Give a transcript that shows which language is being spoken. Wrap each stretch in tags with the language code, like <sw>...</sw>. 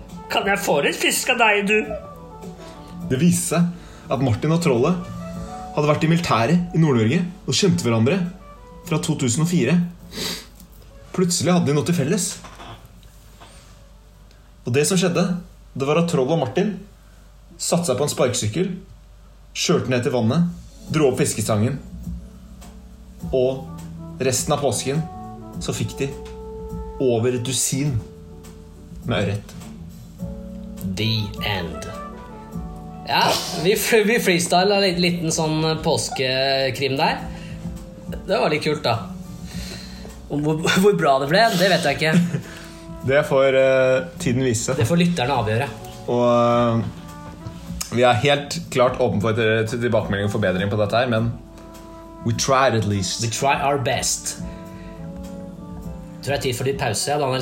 <no>Kan jeg få litt fisk av deg, du? Det viser seg at Martin og trollet hadde vært I militæret I Nord-Norge og kjente hverandre fra 2004. Plutselig hadde de noe til felles. Og det som skjedde, det var at troll og Martin satt seg på en sparksykkel, kjørte ned til vannet, dro opp fiskestangen, og resten av påsken så fikk de over et dusin med ørret.</no> <en>The end.</en> <no>Ja, vi freestyle en liten sånn påskekrim der. Det var litt kult da. Hvor bra det ble, det vet jeg ikke. Det får tiden vise. Det får lytterne avgjøre. Og Vi er helt klart åpen for tilbakemelding og forbedring på dette her, men</no> <en>we tried at least. We tried our best.</en> <no>Tror jeg tid for din pause, ja, Daniel.</no>